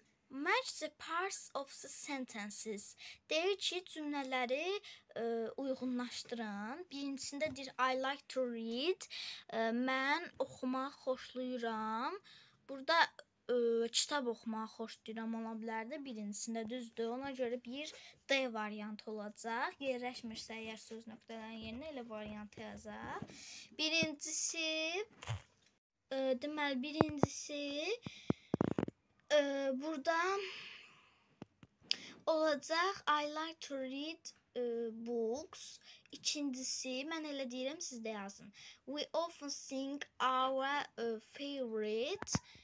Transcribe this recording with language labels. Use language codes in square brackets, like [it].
[en] Match the parts of the sentences. [az] Deyir ki, cümlələri uyğunlaşdırın. Birincisində deyir, [en] I like to read. [az] Mən oxumaq xoşlayıram. Burada kitab oxumağı xoşlayıram ola bilərdi. Birincisində düzdür. Ona görə bir D variantı olacaq. Yerləşmirsə, əgər söz nöqtələrinin yerinə elə variantı yazaq. Birincisi, deməli, birincisi, burada olacaq [en] I like to read books. [az] İkincisi, mən elə deyirəm, siz də yazın. [en] We often sing our favorite.